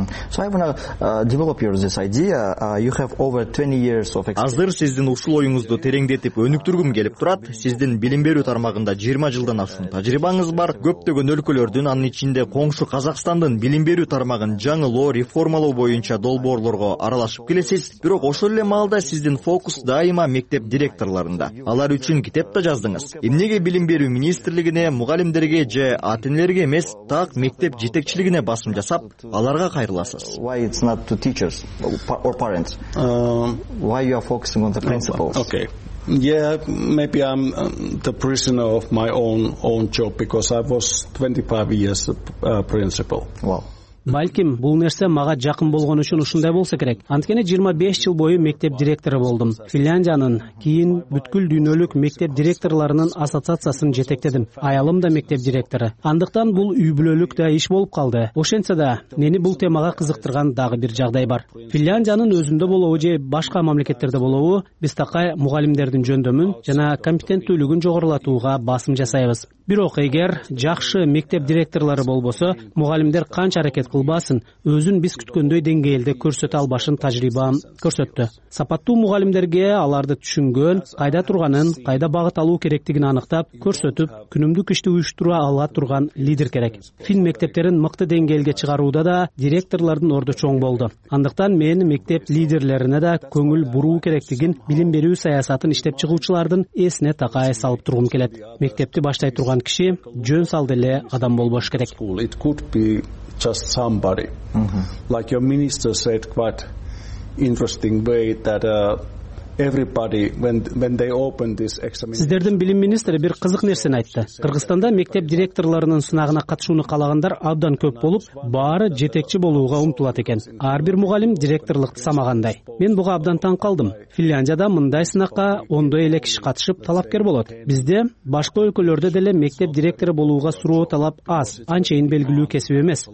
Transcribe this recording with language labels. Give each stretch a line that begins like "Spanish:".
English: So I want to develop your this idea. You have over 20 years of experience.
Kyrgyz: Азыр сиздин ушул оюңузду тереңдетип өнүктүргүм келип турат. Сиздин билим берүү тармагында 20 жылдан ашуун тажрыйбаңыз бар. Көптөгөн өлкөлөрдүн, анын ичинде коңшу Казакстандын билим берүү тармагын жаңылоо, реформалоо боюнча долбоорлорго аралашып келесиз. Бирок ошол эле маалда сиздин фокус дайыма мектеп директорлорунда. Алар үчүн китеп да жаздыңыз. Эмнеге билим берүү министрлигине, мугалимдерге же ата-энелерге эмес, так мектеп жетекчилигине басым жасап, аларга кайрыласыз?
English: Why it's not to teachers or parents? Why you are focusing on the principals? Okay. Yeah, maybe I'm the prisoner of my own job because I was 25 years a principal. Wow.
Kyrgyz: Балким бул нерсе мага жакын болгон үчүн ушундай болсо керек. Анткени 25 жыл бою мектеп директору болдум. Финляндиянын кийин бүткүл дүйнөлүк мектеп директорлорунун ассоциациясын жетектедим. Аялым да мектеп директору. Андыктан бул үй бүлөлүк да иш болуп калды. Ошентсе да мени бул темага кызыктырган дагы бир жагдай бар. Финляндиянын өзүндө болобу же башка мамлекеттерде болобу, биз такай мугалимдердин жөндөмүн жана компетенттүүлүгүн жогорулатууга басым жасайбыз. Бирок эгер жакшы мектеп директорлору болбосо, мугалимдер канча аракет кылбасын, өзүн биз күткөндөй деңгээлде көрсөтө албашын тажрыйбам көрсөттү. Сапаттуу мугалимдерге аларды түшүнгөн, кайда турганын, кайда багыт алуу керектигин аныктап, көрсөтүп, күнүмдүк ишти уюштура ала турган лидер керек. Фин мектептерин мыкты деңгээлге чыгарууда да директорлордун орду чоң болду. Андыктан мен мектеп лидерлерине да көңүл буруу керектигин билим берүү саясатын иштеп чыгуучулардын эсине такай салып тургум келет. Мектепти баштай турган киши жөн салды эле адам болбош керек.
English: It could be just somebody. Mm-hmm. Like your minister said quite interesting way that everybody when they open this examination.
Kyrgyz: Сиздердин билим министри бир кызык нерсени айтты. Кыргызстанда мектеп директорлорунун сынагына катышууну каалагандар абдан көп болуп, баары жетекчи болууга умтулат экен. Ар бир мугалим директорлукту самагандай. Мен буга абдан таң калдым. Финляндияда мындай сынакка ондой эле киши катышып талапкер болот. Бизде башка өлкөлөрдө деле мектеп директору болууга суроо талап аз, анчейин белгилүү кесип эмес.